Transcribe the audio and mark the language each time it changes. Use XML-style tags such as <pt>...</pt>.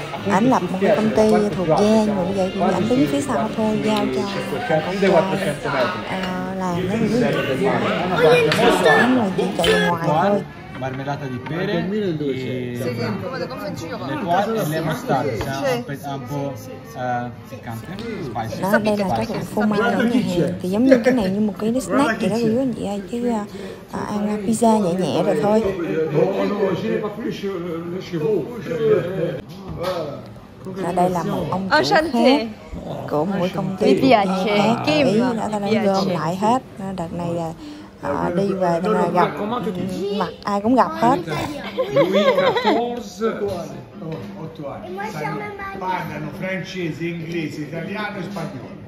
<vi>Anh lập một cái công ty thuộc Giang rồi, vậy thì anh đứng phía sau thôi, giao cho làm nó như thế nào, anh ngồi chỉ chạy ngoài thôi.</vi> <it>Marmellata di pere, le poire e le mostarde, cioè un po' piccante, spicy.</it> <vi>Nó đây là cái phô mai nhà hàng, thì giống như cái này như một cái snack gì đó quý anh chị ơi, chứ ăn pizza nhẹ nhẹ rồi thôi. Ở đây là một ông chủ khác của mỗi công ty, thì anh đã gom lại hết, đợt này là đi về nên là gặp mặt ai cũng gặp hết.</vi> <it>Parlano francese, inglese, italiano e spagnolo.</it>